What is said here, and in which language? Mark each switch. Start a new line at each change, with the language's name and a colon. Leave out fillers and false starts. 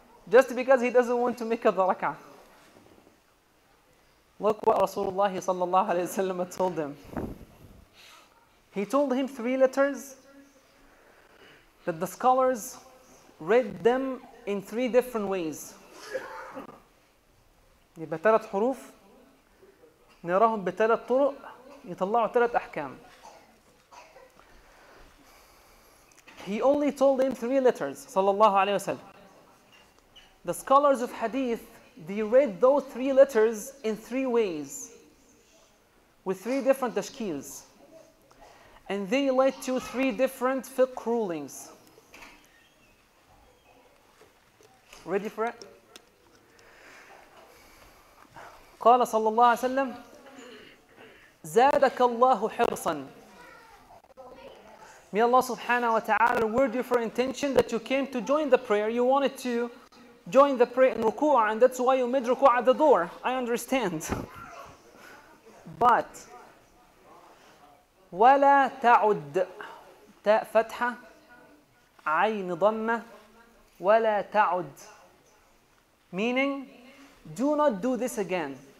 English: Just because he doesn't want to make up the raka'. Look what Rasulullah sallallahu alayhi wa sallam told him. He told him three letters that the scholars read them in three different ways.
Arabic: يبقى ثلاث حروف نراهم بثلاث طرق يطلعوا ثلاث أحكام.
English: He only told him three letters sallallahu alayhi wa sallam. The scholars of hadith, they read those three letters in three ways with three different tashkils, and they led to three different fiqh rulings. Ready for it?
Arabic: قال صلى الله عليه وسلم زادك الله حرصا.
English: May Allah subhanahu wa ta'ala reward you for intention that you came to join the prayer, you wanted to join the prayer in ruku'ah, and that's why you made ruku'ah at the door. I understand. But
Arabic: وَلَا تَعُدْ تَا فَتْحَ عَيْنِ ضَمَّ وَلَا تَعُدْ,
English: meaning do not do this again.